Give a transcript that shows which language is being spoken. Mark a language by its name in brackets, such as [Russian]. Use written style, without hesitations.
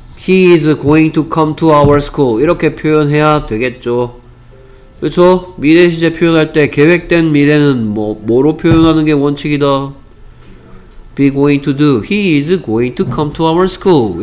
[English] He is going to come to our school. [Korean] 이렇게 표현해야 되겠죠. 그렇죠? 미래 시제 표현할 때 계획된 미래는 뭐로 표현하는 게 원칙이다. [English] Be going to do. He is going to come to our school.